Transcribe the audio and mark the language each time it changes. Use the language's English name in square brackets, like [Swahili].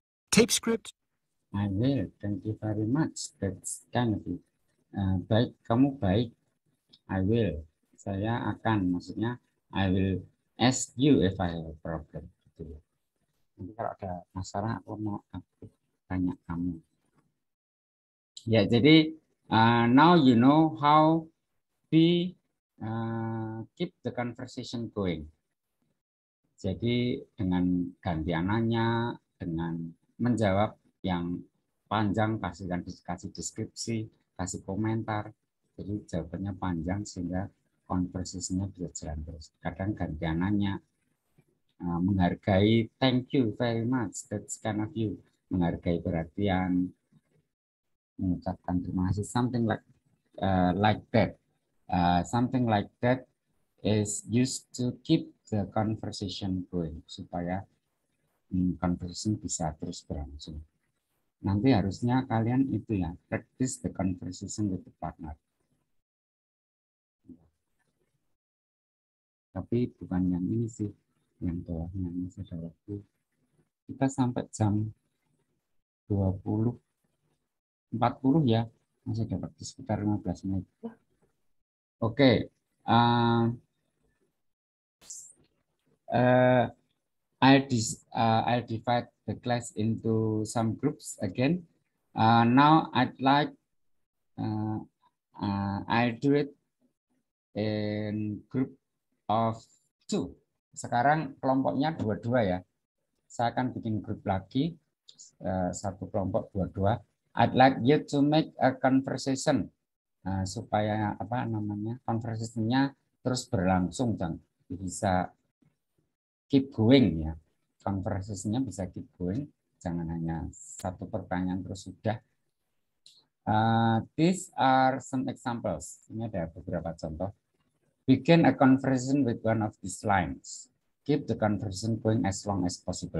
[English] Tape script. I will. Thank you very much. That's kind of you. [Indonesian] Baik, kamu baik. [English] I will. [Indonesian] Saya akan. [English] Maksudnya, I will ask you if I have a problem. [Indonesian] Gitu. Nanti kalau ada masalah, aku mau aku tanya kamu. Ya, jadi [English] now you know how we keep the conversation going. [Indonesian] Jadi dengan gantian nanya, dengan menjawab yang panjang, kasih deskripsi, kasih komentar. Jadi jawabannya panjang sehingga conversation-nya bisa jalan terus. Kadang gantian nanya, menghargai, [English] thank you very much, that's kind of you. [Indonesian] Menghargai perhatian, mengucapkan terima kasih, [English] something like that. Something like that is used to keep the conversation going [Indonesian] supaya conversation bisa terus berlangsung. Nanti harusnya kalian itu ya, [English] practice the conversation with the partner. [Indonesian] Tapi bukan yang ini sih, yang bawahnya masih ada waktu. Kita sampai jam 20.40 ya, masih ada waktu sekitar 15 menit. [English] Oke, I'll divide the class into some groups again. Now I'd like I'll do it in group of 2. [Indonesian] Sekarang kelompoknya 2-2 ya. Saya akan bikin grup lagi, satu kelompok 2-2. [English] I'd like you to make a conversation [Indonesian] supaya apa namanya conversationnya terus berlangsung dan bisa [English] keep going [Indonesian] ya. Conversationnya bisa [English] keep going, [Indonesian] jangan hanya satu pertanyaan terus sudah. [English] These are some examples. [Indonesian] Ini ada beberapa contoh. [English] Begin a conversation with one of these lines. Keep the conversation going as long as possible.